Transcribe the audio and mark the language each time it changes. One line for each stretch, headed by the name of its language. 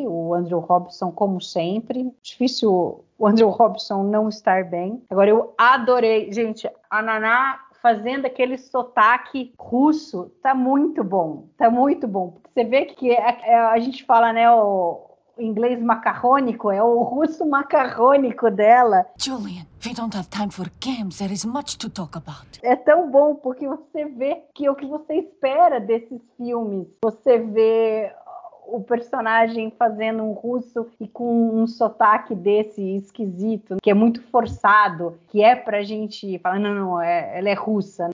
Portuguese: O Andrew Robson, como sempre. Difícil o Andrew Robson não estar bem. Agora, eu adorei. Gente, a Naná fazendo aquele sotaque russo tá muito bom. Tá muito bom. Você vê que a gente fala, né, o inglês macarrônico, é o russo macarrônico dela.
English: Julian, we don't have time for games, there is much to talk about.
Portuguese: É tão bom, porque você vê que é o que você espera desses filmes. Você vê o personagem fazendo um russo e com um sotaque desse esquisito, que é muito forçado, que é pra gente falar, não, ela é russa.